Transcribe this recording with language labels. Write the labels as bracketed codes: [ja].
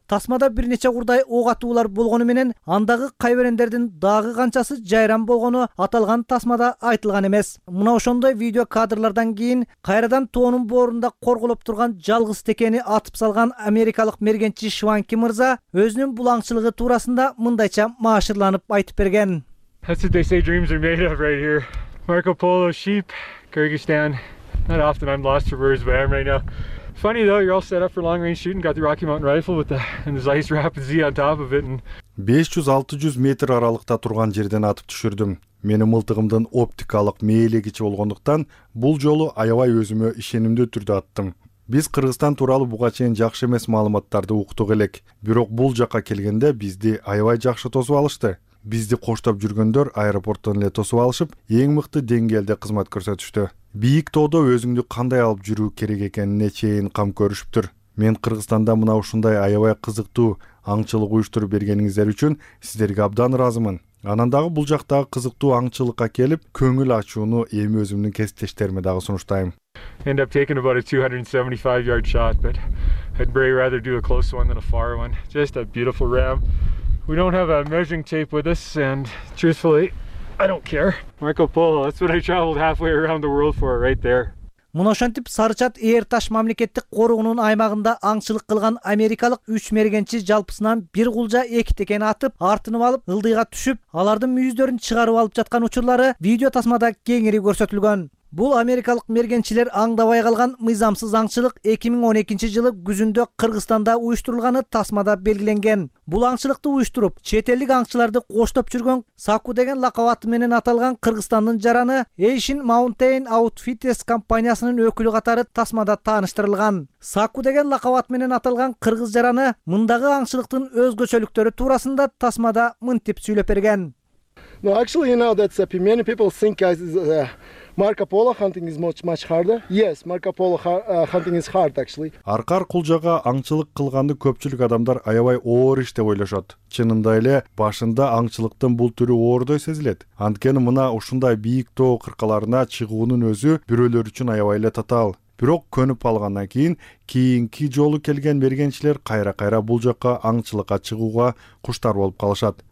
[ky] Тасмада бир нече курдай ок атуулар болгону менен андагы кайберендердин дагы канчасы жайран болгону аталган тасмада айтылган эмес. Мына ошондой видео кадрлардан кийин кайрадан тоонун боорунда корголоп турган жалгыз текени атып салган америкалык мергенчи Шванки мырза өзүнүн бул аңчылыгы туурасында мындайча маашырланып айтып берген. [en] That's what they say dreams are made of right here. Marco Polo sheep, Kyrgyzstan. Not often I'm lost for words, but I am right now. Funny though, you're all set up for long range shooting, got the Rocky Mountain rifle with the and the Zeiss Rapid Z on top of it and [ky] 500-600 метр аралыкта турган жерден атып түшүрдүм. Менин мылтыгымдын оптикалык мээлегичи болгондуктан бул жолу аябай өзүмө ишенимдүү түрдө аттым. Биз Кыргызстан тууралуу буга чейин жакшы эмес маалыматтарды уктук элек, бирок бул жака келгенде бизди аябай жакшы тосуп алышты. Бизди коштоп жүргөндөр аэропорттон эле тосуп алышып, эң мыкты деңгээлде кызмат көрсөтүштү. Бийик тоодо өзүңдү кандай алып жүрүү керек экенине чейин кам көрүшүптүр. Мен Кыргызстанда мына ушундай аябай кызыктуу аңчылык уюштуруп бергениңиздер үчүн сиздерге абдан ыраазымын. Анан дагы бул жактагы кызыктуу аңчылыкка келип, көңүл ачууну эми өзүмдүн кесиптештериме дагы сунуштайм. [en] End up taking about a 275 yard shot, but I'd way rather do a close one than a far one. Just a beautiful ram. We don't have a measuring tape with us, and truthfully, I don't care. Marco Polo, that's what I traveled halfway around the world for right there. [ky] Мына ошентип Сарычат Эрташ мамлекеттик коругунун аймагында аңчылык кылган америкалык 3 мергенчи жалпысынан бир кулжа 2 текени атып, артынып алып ылдыйга түшүп, алардын мүйүздөрүн чыгарып алып жаткан учурлары видео тасмада кеңири көрсөтүлгөн. Бул америкалык мергенчилер аңдабай калган мыйзамсыз аңчылык 2012 жылы күзүндө Кыргызстанда уюштурулганы тасмада белгиленген. Бул аңчылыкты уюштуруп, чет элдик аңчыларды коштоп жүргөн Саку деген лакабаты менен аталган Кыргызстандын жараны Asian Mountain Outfitters компаниясынын өкүлү катары тасмада тааныштырылган. Саку деген лакабат менен аталган кыргыз жараны мындагы аңчылыктын өзгөчөлүктөрү туурасында тасмада мынтип сүйлөп берген. [en] No, actually, you know, that's many people think as Marco Polo hunting is much much harder. Yes, Marco Polo hunting is hard actually. [ky] Аркар кулжага аңчылык кылганды көпчүлүк адамдар аябай оор иш деп ойлошот. Чынында эле башында аңчылыктын бул түрү оордой сезилет. Анткени мына ушундай бийик тоо кыркаларына чыгуунун өзү бирөөлөр үчүн аябай эле татаал. Бирок көнүп алгандан кийин кийинки жолу келген мергенчилер кайра-кайра бул жакка аңчылыкка чыгууга куштар болуп калышат.